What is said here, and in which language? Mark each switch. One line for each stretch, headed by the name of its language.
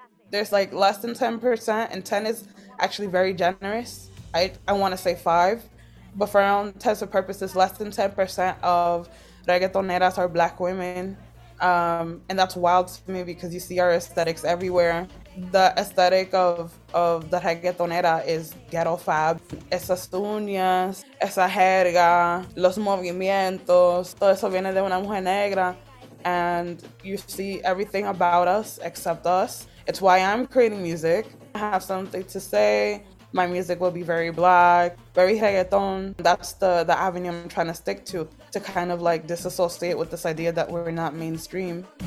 English: There's like less than 10%, and 10 is actually very generous. I want to say 5, but for our intents and purposes, less than 10% of reggaetoneras are black women. And that's wild to me because you see our aesthetics everywhere. The aesthetic of the reggaetonera is ghetto fab.
Spanish: Esas uñas, esa jerga, los movimientos, todo eso viene de una mujer negra.
English: And you see everything about us except us. It's why I'm creating music. I have something to say. My music will be very black, very reggaeton. That's the avenue I'm trying to stick to kind of like disassociate with this idea that we're not mainstream.